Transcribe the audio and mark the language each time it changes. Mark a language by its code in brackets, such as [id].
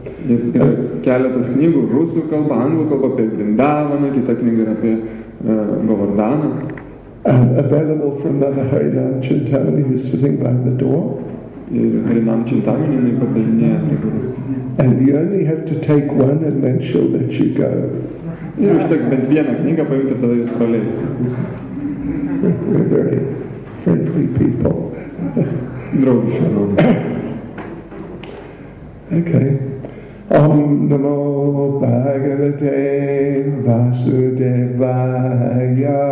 [lt] Ir keletas knygų, rusų kalba, anglų kalba apie Vrindavaną, kita knyga yra apie Govardhaną. [en] Available from Mother Harinam Chintamani, who is sitting by the door. [lt] Ir Harinam Chintamani, jinai padalinėja prie durų. [en] And you only have to take one and then she'll let you go. [lt] Ir užtek bent vieną knygą paimti ir tada jūs praleis. [en] We're very friendly people. [lt] Draugiška nauda. [sa] Okay. Om Namo Bhagavate Vasudevaya.